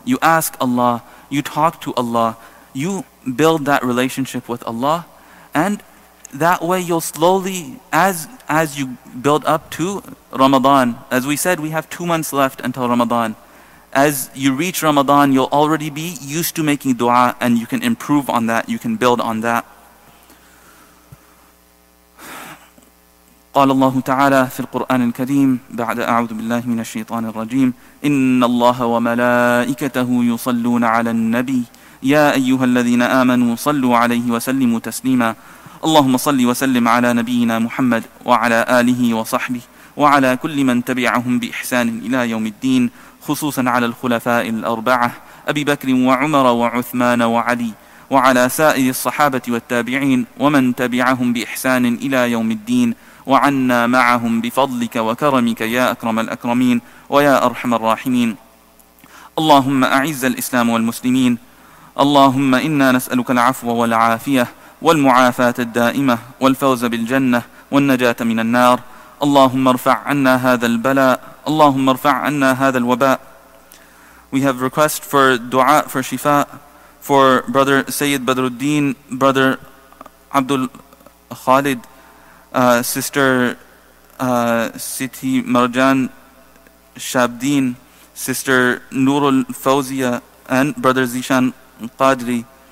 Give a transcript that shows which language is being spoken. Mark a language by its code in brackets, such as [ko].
[en] You ask Allah, you talk to Allah, you build that relationship with Allah, and that way you'll slowly, as you build up to Ramadan, as we said, we have 2 months left until Ramadan. As you reach Ramadan, you'll already be used to making dua, and you can improve on that, you can build on that. [ar] قال الله تعالى في القرآن الكريم بعد أعوذ بالله من الشيطان الرجيم إن الله وملائكته يصلون على النبي يا أيها الذين آمنوا صلوا عليه وسلموا تسليما اللهم صل وسلم على نبينا محمد وعلى آله وصحبه وعلى كل من تبعهم بإحسان إلى يوم الدين خصوصا على الخلفاء الأربعة أبي بكر وعمر وعثمان وعلي وعلى سائر الصحابة والتابعين ومن تبعهم بإحسان إلى يوم الدين وعنا معهم بفضلك وكرمك يا أكرم الأكرمين ويا أرحم الراحمين اللهم أعز الإسلام والمسلمين اللهم إنا نسألك العفو والعافية والمعافاة الدائمة والفوز بالجنة والنجاة من النار اللهم ارفع عنا هذا البلاء اللهم ارفع عنا هذا الوباء. [en] We have request for dua for shifa for brother Sayyid Badruddin, brother Abdul Khalid, sister Siti Marjan Shabdin, sister Nurul Fawzia, and brother Zishan Qadri.